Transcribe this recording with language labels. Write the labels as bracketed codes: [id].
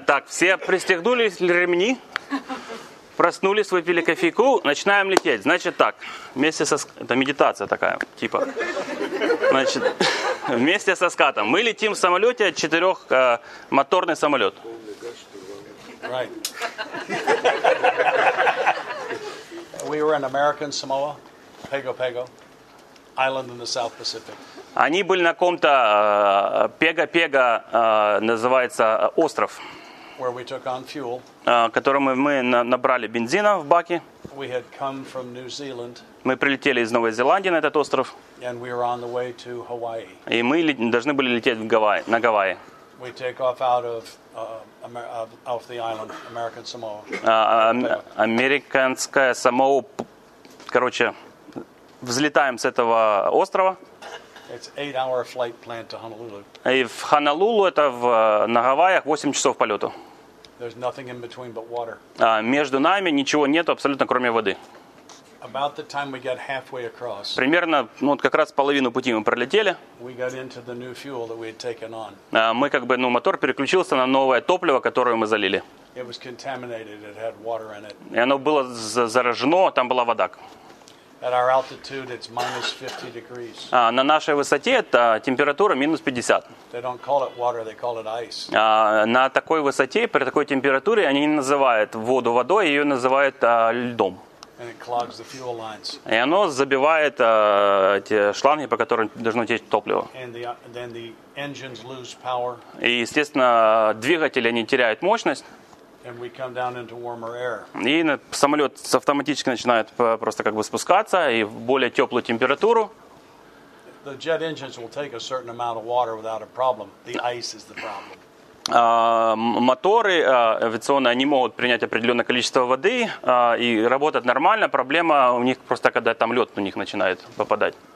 [ru] Так, все пристегнулись ремни. Проснулись, выпили кофейку, начинаем лететь. Значит так, вместе со скатом, это медитация такая, типа. Значит, вместе со скатом. Мы летим в самолете, четырехмоторный самолет. [en] Right. We were in American Samoa, Pago Pago, island in the South Pacific. [ru] Они были на ком-то, Pago Pago, называется остров. [en] Where we took on fuel. [ru] Которому мы набрали бензина в баке. [en] We had come from New Zealand. [ru] Мы прилетели из Новой Зеландии на этот остров. [en] And we were on the way to Hawaii. [ru] И мы должны были лететь на Гавайи. [en] We take off out of of the island, American Samoa. [ru] Американская Самоа. Короче, взлетаем с этого острова. [en] It's 8-hour flight plan to Honolulu. [ru] И в Хонолулу, это на Гавайях, 8 часов полету. [en] There's nothing in between but water. [ru] Между нами ничего нет абсолютно, кроме воды. [en] About the time we got halfway across. [ru] Примерно, ну вот как раз половину пути мы пролетели. [en] We got into the new fuel that we had taken on. [ru] Мы как бы, ну, мотор переключился на новое топливо, которое мы залили. [en] It was contaminated. It had water in it. [ru] И оно было заражено, там была вода. [en] At our altitude, it's minus 50 degrees. [ru] На нашей высоте это температура минус 50. [en] They don't call it water, they call it ice. [ru] На такой высоте, при такой температуре, они не называют воду водой, ее называют льдом. [en] And it clogs the fuel lines. [ru] И оно забивает эти шланги, по которым должно течь топливо. [en] And then the engines lose power. [ru] И, естественно, двигатели они теряют мощность. [en] And we come down into warmer air. [ru] И самолет автоматически начинает просто как бы спускаться и в более теплую температуру. [en] The jet engines will take a certain amount of water without a problem. The ice is the problem. [ru] Моторы авиационные, они могут принять определенное количество воды и работать нормально. Проблема у них просто, когда там лед у них начинает попадать.